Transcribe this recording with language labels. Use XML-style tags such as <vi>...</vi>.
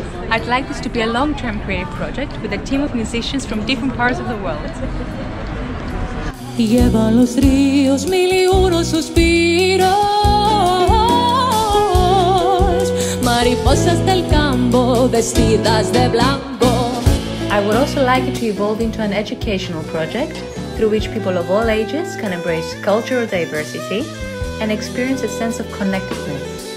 <en>I'd like this to be a long-term creative project with a team of musicians from different parts of the world.</en> <es>Lleva los ríos mil y uno suspiros, mariposas del campo vestidas de blanco.</es> <en>I would also like it to evolve into an educational project through which people of all ages can embrace cultural diversity and experience a sense of connectedness.</en>